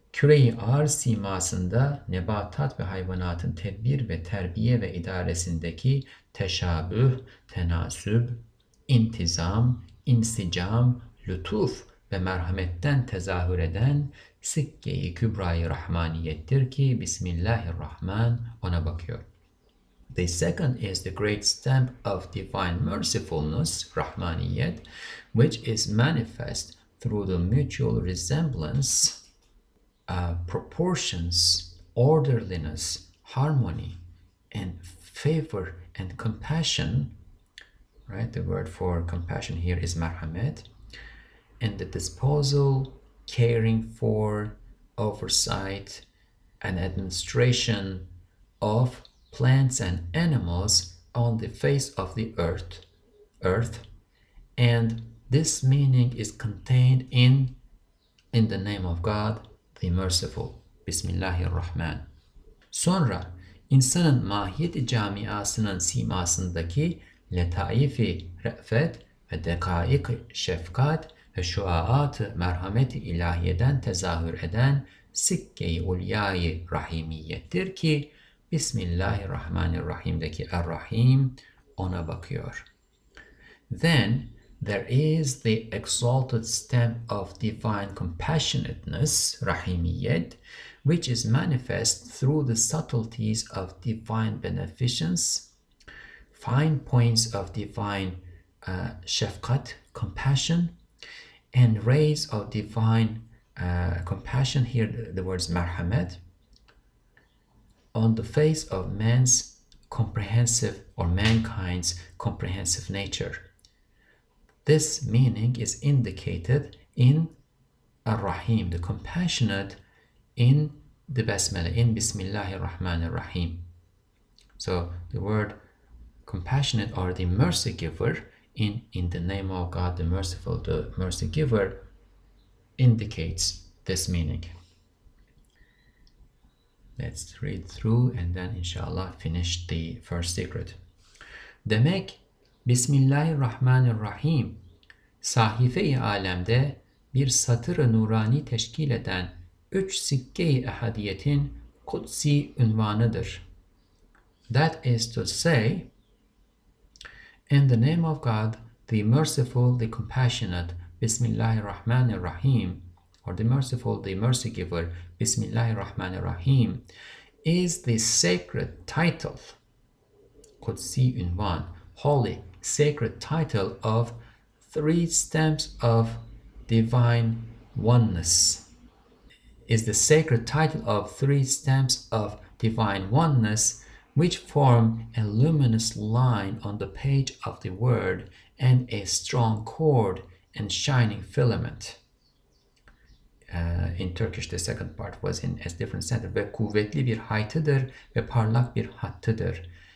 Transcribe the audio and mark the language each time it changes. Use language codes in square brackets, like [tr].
[tr] Küre-i arz simasında nebatat ve hayvanatın tedbir ve terbiye ve idaresindeki teşabüh, tenasüb, intizam, insicam, lütuf ve merhametten tezahür eden sikke-i kübra-i rahmaniyettir ki Bismillahirrahmanirrahim ona bakıyor. [en] The second is the great stamp of divine mercifulness, rahmaniyet, which is manifest through the mutual resemblance, proportions, orderliness, harmony, and favor and compassion, right? The word for compassion here is merhamet, and the disposal, caring for, oversight, and administration of plants and animals on the face of the earth, and this meaning is contained in the name of God, the Merciful, Bismillahirrahman. [tr] Sonra insanın mahiyeti camiasının simasındaki letaifi re'fet ve dekaik şefkat ve şuaat-ı merhameti ilahiyeden tezahür eden sikke-i ulyayı rahimiyettir ki Bismillahirrahmanirrahim'deki Er-Rahim ona bakıyor. [en] Then there is the exalted stamp of divine compassionateness, rahimiyet, which is manifest through the subtleties of divine beneficence, fine points of divine shefkat, compassion, and rays of divine compassion, here the words merhamet, on the face of man's comprehensive or mankind's comprehensive nature. This meaning is indicated in Ar-Rahim, the compassionate, in the Basmala, in Bismillahirrahmanirrahim. So the word compassionate or the mercy giver in the name of God, the merciful, the mercy giver, indicates this meaning. Let's read through and then inshallah finish the first secret. Demek Bismillahirrahmanirrahim sahife-i alemde bir satır-ı nurani teşkil eden üç sikke-i ehadiyetin kutsi ünvanıdır. That is to say, in the name of God, the merciful, the compassionate, Bismillahirrahmanirrahim, or the merciful, the mercy giver, Bismillahirrahmanirrahim, is the sacred title, [tr] kutsi ünvan, [en] holy, sacred title of three stamps of divine oneness, is the sacred title of three stamps of divine oneness, which form a luminous line on the page of the word and a strong cord and shining filament. In Turkish, the second part was in a different sentence. [tr] Ve kuvvetli bir haytıdır ve parlak bir hattıdır.